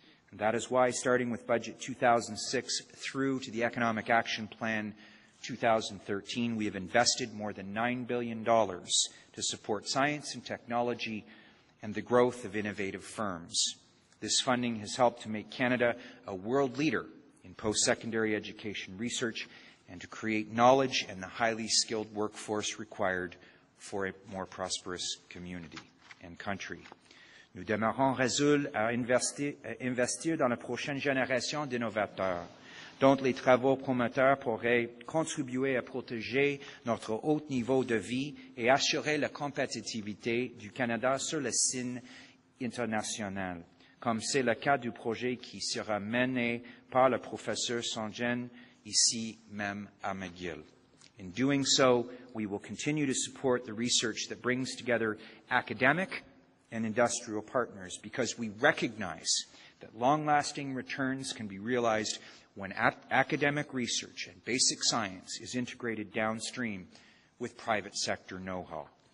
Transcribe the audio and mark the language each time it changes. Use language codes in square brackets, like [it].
[en] And that is why, starting with Budget 2006 through to the Economic Action Plan 2013, we have invested more than $9 billion to support science and technology and the growth of innovative firms. This funding has helped to make Canada a world leader in post-secondary education research and to create knowledge and the highly skilled workforce required for a more prosperous community and country. [fr] Nous demeurons résolus à investir dans la prochaine génération d'innovateurs, dont les travaux prometteurs pourraient contribuer à protéger notre haut niveau de vie et assurer la compétitivité du Canada sur la scène internationale, comme c'est le cas du projet qui sera mené par le professeur Sangen ici même à McGill. [en] In doing so, we will continue to support the research that brings together academic and industrial partners, because we recognize that long-lasting returns can be realized when academic research and basic science is integrated downstream with private sector know-how.